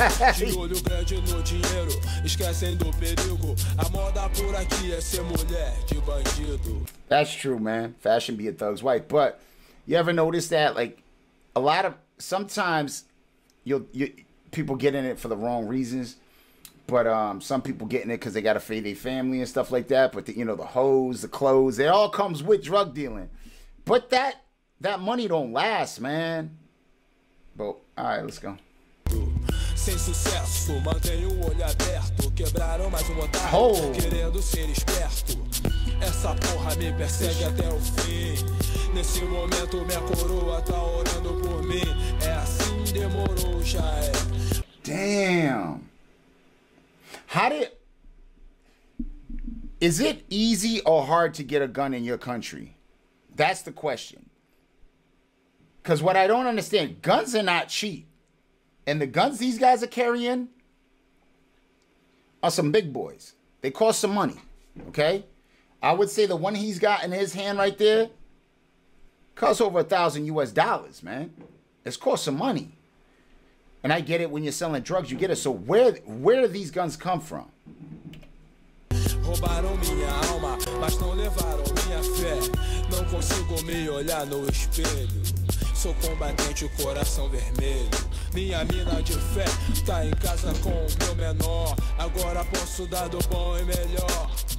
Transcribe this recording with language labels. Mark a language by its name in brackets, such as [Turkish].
[Portuguese] De olho grande no dinheiro, esquecendo o perigo. A moda por aqui é ser mulher de bandido. [English] That's true, man. Fashion be a thug's wife. But you ever notice that, like, a lot of, sometimes you people get in it for the wrong reasons. But some people get in it because they got to feed their family and stuff like that. But, the hoes, the clothes, it all comes with drug dealing. But that money don't last, man. But, all right, let's go. [Portuguese] Sem sucesso, mantenho o olho aberto. Quebraram mais otário, querendo ser esperto. Essa porra me persegue até o fim. Nesse momento, minha coroa tá orando por mim. É assim, demorou, já é. [English] Damn. How did, is it easy or hard to get a gun in your country? That's the question. Because what I don't understand, guns are not cheap. And the guns these guys are carrying are some big boys. They cost some money, okay? I would say the one he's got in his hand right there costs over $1,000 US, man. It's cost some money. And I get it, when you're selling drugs, you get it. So where do these guns come from? [Portuguese] Roubaram minha alma, mas não levaram minha fé. Não consigo me olhar no espelho. Sou combatente, coração vermelho. Minha mina de fé tá em casa com o meu menor. Agora posso dar do bom e melhor.